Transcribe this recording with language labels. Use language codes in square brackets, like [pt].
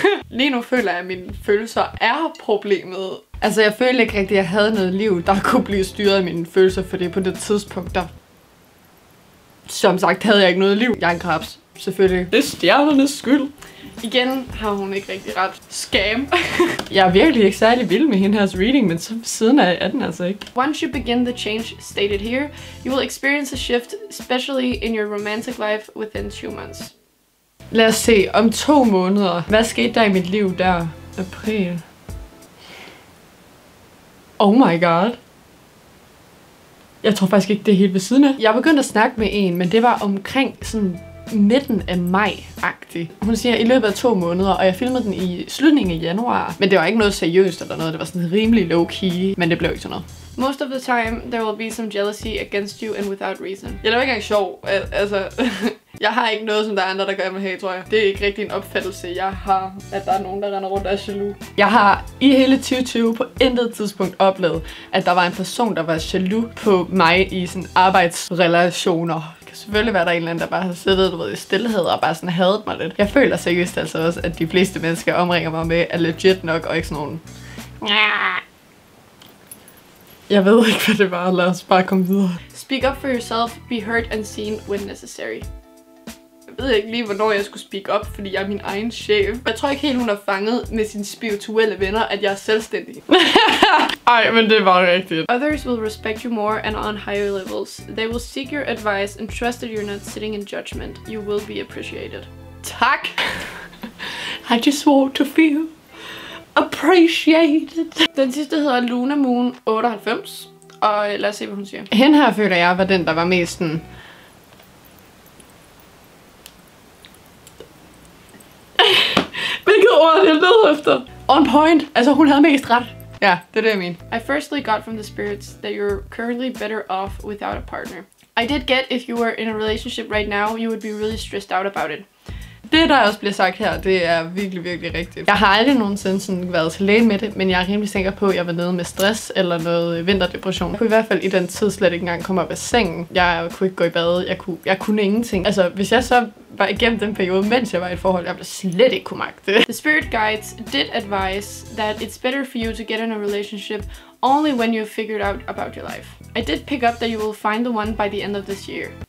[da] Lige nu føler jeg, at mine følelser er problemet. Altså, jeg følte ikke rigtigt, at jeg havde noget liv, der kunne blive styret af mine følelser, for det på det tidspunkt, der... Som sagt, havde jeg ikke noget liv. Jeg er en krebs, selvfølgelig. Det er stjernernes skyld. Igen har hun ikke rigtig ret. Scam. Jeg er virkelig ikke særlig vild med hendes reading, men så siden af er den altså ikke. [en] Once you begin the change stated here, you will experience a shift, especially in your romantic life, within 2 months. [da] Lad os se, om 2 måneder. Hvad skete der i mit liv der? April. [en] Oh my god. [da] Jeg tror faktisk ikke, det er helt ved siden af. Jeg begyndte at snakke med en, men det var omkring sådan midten af maj-agtig. Hun siger, i løbet af 2 måneder, og jeg filmede den i slutningen af januar. Men det var ikke noget seriøst eller noget. Det var sådan rimelig low-key, men det blev ikke sådan noget. [en] Most of the time, there will be some jealousy against you and without reason. [da] Jeg er ikke engang sjov. Altså, jeg har ikke noget, som der er andre, der gør mig her, tror jeg. Det er ikke rigtig en opfattelse, jeg har, at der er nogen, der render rundt af jaloux. Jeg har i hele 2020 på intet tidspunkt oplevet, at der var en person, der var jaloux på mig i sådan arbejdsrelationer. Det kan selvfølgelig være, der en eller anden, der bare har siddet, du ved, i stillhed og bare sådan hadet mig lidt. Jeg føler seriøst altså også, at de fleste mennesker omringer mig med, er legit nok og ikke sådan nogen... Jeg ved ikke, hvad det var. Lad os bare komme videre. [en] Speak up for yourself. Be heard and seen when necessary. [da] Jeg ved ikke lige, hvornår jeg skulle speak up, fordi jeg er min egen chef. Jeg tror ikke helt, hun er fanget med sine spirituelle venner, at jeg er selvstændig. Ej, men det var rigtigt. [en] Others will respect you more and on higher levels. They will seek your advice and trust that you're not sitting in judgment. You will be appreciated. [da] Tak! [en] I just want to feel appreciated. [da] Den sidste hedder Luna Moon 98. Og lad os se, hvad hun siger. Hende her føler jeg var den, der var mest sådan... Hvilket ord det led efter? On point. Altså, hun havde mest ret. Ja, det er det, jeg mener. [en] I firstly got from the spirits that you're currently better off without a partner. I did get if you were in a relationship right now, you would be really stressed out about it. [da] Det, der også bliver sagt her, det er virkelig, virkelig rigtigt. Jeg har aldrig nogensinde sådan været til lægen med det, men jeg er rimelig sikker på, at jeg var nede med stress eller noget vinterdepression. Jeg kunne i hvert fald i den tid slet ikke engang komme op af sengen. Jeg kunne ikke gå i bad. Jeg kunne ingenting. Altså, hvis jeg så var igennem den periode, mens jeg var i et forhold, jeg ville slet ikke kunne magte det. [en] The spirit guides did advise that it's better for you to get in a relationship only when you've figured out about your life. I did pick up that you will find the one by the end of this year.